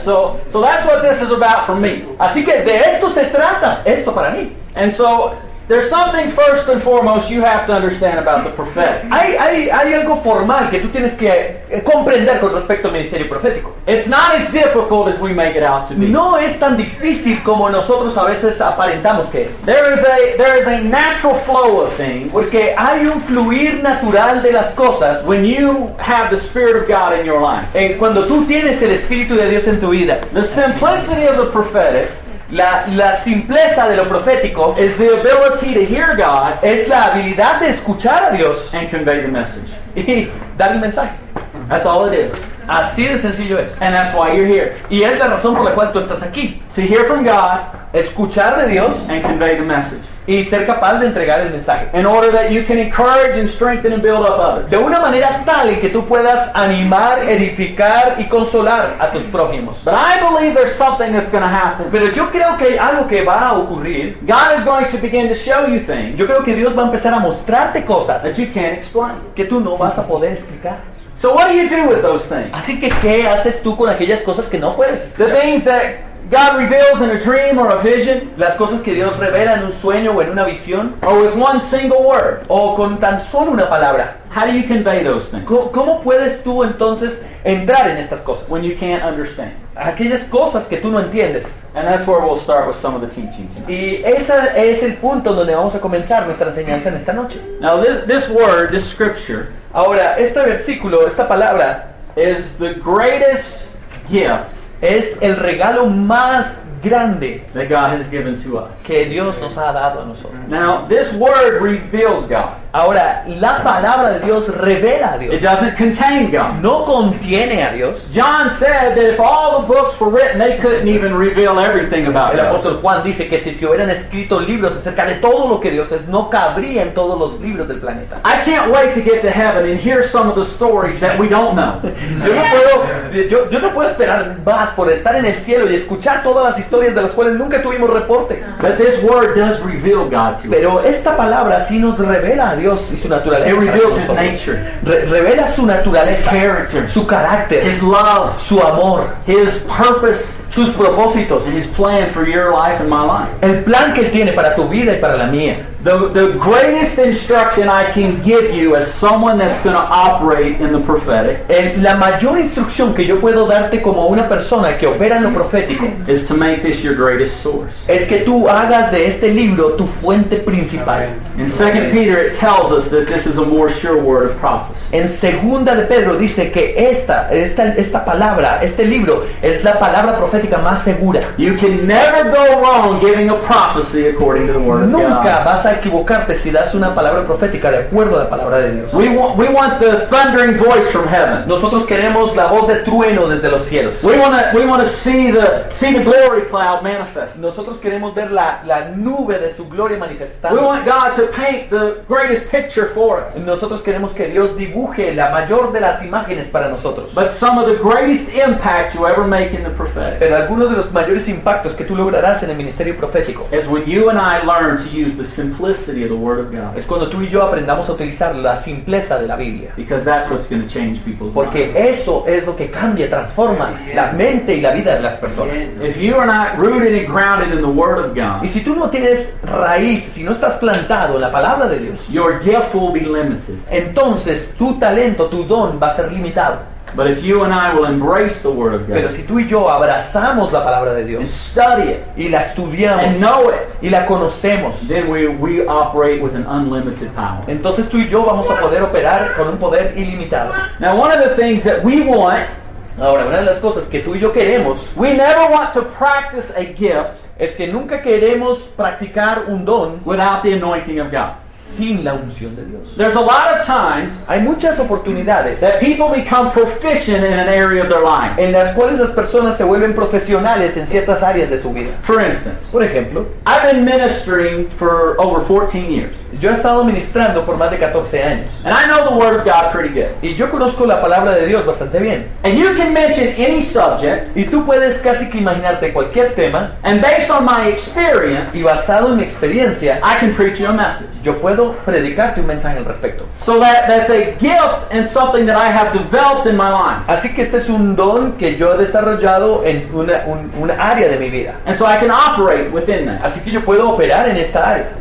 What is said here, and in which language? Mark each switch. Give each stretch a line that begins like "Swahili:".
English: So that's what this is about for me.
Spanish: Así que de esto se trata, esto para mí.
English: And so there's something first and foremost you have to understand about the prophetic.
Spanish: Hay algo formal que tú tienes que comprender con respecto al ministerio profético.
English: It's not as difficult as we make it out to be.
Spanish: No es tan difícil como nosotros a veces aparentamos que es.
English: There is a natural flow of things.
Spanish: Porque hay un fluir natural de las cosas.
English: When you have the Spirit of God in your life.
Spanish: En cuando tú tienes el Espíritu de Dios en tu vida.
English: The simplicity of the prophetic.
Spanish: La simpleza de lo profético
English: is the ability to hear God,
Spanish: es la habilidad de escuchar a Dios
English: and convey the message.
Spanish: Y dar el mensaje.
English: That's all it is.
Spanish: Así de sencillo es.
English: And that's why you're here.
Spanish: Y es la razón por la cual tú estás aquí.
English: To hear from God,
Spanish: escuchar de Dios
English: and convey the message.
Spanish: y ser capaz de entregar el mensaje.
English: In order that you can encourage and strengthen and build up others.
Spanish: De una manera tal en que tú puedas animar, edificar y consolar a tus prójimos.
English: But I believe there's something that's going to happen.
Spanish: Pero yo creo que hay algo que va a ocurrir.
English: God is going to begin to show you things.
Spanish: Yo creo que Dios va a empezar a mostrarte cosas
English: that you can't explain.
Spanish: Que tú no vas a poder explicar.
English: So what do you do with those things?
Spanish: Así que ¿qué haces tú con aquellas cosas que no puedes explicar?
English: The things that God reveals in a dream or a vision,
Spanish: las cosas que Dios revela en un sueño o en una visión,
English: or with one single word,
Spanish: o con tan solo una palabra.
English: How do you convey those things?
Spanish: ¿Cómo puedes tú entonces entrar en estas cosas?
English: When you can't understand.
Spanish: Aquellas cosas que tú no entiendes.
English: And that's where we'll start with some of the teaching tonight.
Spanish: Y ese es el punto donde vamos a comenzar nuestra enseñanza en esta noche.
English: Now this word, this scripture,
Spanish: ahora este versículo, esta palabra,
English: is the greatest gift.
Spanish: Es el regalo más grande
English: that God has given to us.
Spanish: Que Dios nos ha dado a nosotros.
English: Now this word reveals God.
Spanish: Ahora la palabra de Dios revela a Dios.
English: It doesn't contain God.
Spanish: No contiene a Dios.
English: John said that if all the books were written, they couldn't even reveal everything about
Spanish: God. El apóstol Juan dice que si se hubieran escrito libros acerca de todo lo que Dios es, no cabrían todos los libros del planeta.
English: I can't wait to get to heaven and hear some of the stories that we don't know.
Spanish: yo no puedo esperar más por estar en el cielo y escuchar todas las historias de las cuales nunca tuvimos reporte.
English: But this word does reveal God to us.
Spanish: Pero esta palabra sí nos revela a Dios y su naturaleza.
English: It reveals his nature.
Spanish: Revela su naturaleza.
English: His character.
Spanish: Su carácter.
English: His love.
Spanish: Su amor.
English: His purpose.
Spanish: Sus propósitos.
English: And his plan for your life and my life.
Spanish: El plan que él tiene para tu vida y para la mía.
English: The greatest instruction I can give you as someone that's going to operate in the prophetic.
Spanish: La mayor instrucción que yo puedo darte como una persona que opera en lo profético
English: is to make this your greatest source.
Spanish: Es que tú hagas de este libro tu fuente principal.
English: In 2 Peter it tells us that this is a more sure word of prophecy.
Spanish: En 2 de Pedro dice que esta palabra, este libro es la palabra profética más segura.
English: You can never go wrong giving a prophecy according to the word of
Spanish: Nunca
English: God.
Spanish: Vas a equivocarte si das una palabra profética de acuerdo a la palabra de Dios.
English: We want the thundering voice from heaven.
Spanish: Nosotros queremos la voz de trueno desde los cielos.
English: We want to see the glory cloud manifest.
Spanish: Nosotros queremos ver la nube de su gloria manifestada.
English: We want God to paint the greatest picture for us.
Spanish: Nosotros queremos que Dios dibuje la mayor de las imágenes para nosotros.
English: But some of the greatest impact you ever make in the prophetic.
Spanish: Pero algunos de los mayores impactos que tú lograrás en el ministerio profético
English: is when you and I learn to use the simplicity of the word of God.
Spanish: Es cuando tú y yo aprendamos a utilizar la simpleza de la Biblia.
English: Because that's what's going to change people's
Spanish: Porque
English: minds.
Spanish: Eso es lo que cambia, transforma la mente y la vida de las personas.
English: If you are not rooted and grounded in the word of God,
Spanish: y si tú no tienes raíz, si no estás plantado en la palabra de Dios,
English: your gift will be limited.
Spanish: Entonces tu talento, tu don va a ser limitado.
English: But if you and I will embrace the word of God,
Spanish: pero si tú y yo abrazamos la palabra de Dios,
English: and study it,
Spanish: y la estudiamos,
English: and know it,
Spanish: y la conocemos,
English: then we operate with an unlimited power.
Spanish: Entonces tú y yo vamos a poder operar con un poder ilimitado.
English: Now one of the things that we want,
Spanish: ahora una de las cosas que tú y yo queremos,
English: we never want to practice a gift,
Spanish: es que nunca queremos practicar un don
English: without the anointing of God.
Spanish: Sin la unción de Dios.
English: There's a lot of times,
Spanish: hay muchas oportunidades,
English: that people become proficient in an area of their life.
Spanish: En las cuales las personas se vuelven profesionales en ciertas áreas de su vida.
English: For instance,
Spanish: por ejemplo,
English: I've been ministering for over 14 years.
Spanish: Yo he estado ministrando por más de 14 años.
English: And I know the word of God pretty good.
Spanish: Y yo conozco la palabra de Dios bastante bien.
English: And you can mention any subject,
Spanish: y tú puedes casi que imaginarte cualquier tema,
English: and based on my experience,
Spanish: y basado en mi experiencia,
English: I can preach you a message.
Spanish: Yo puedo predicarte un mensaje al respecto.
English: So that's a gift and something that I have developed in my life.
Spanish: Así que este es un don que yo he desarrollado en una área de mi vida.
English: And so I can operate within that.
Spanish: Así que yo puedo operar en esta área.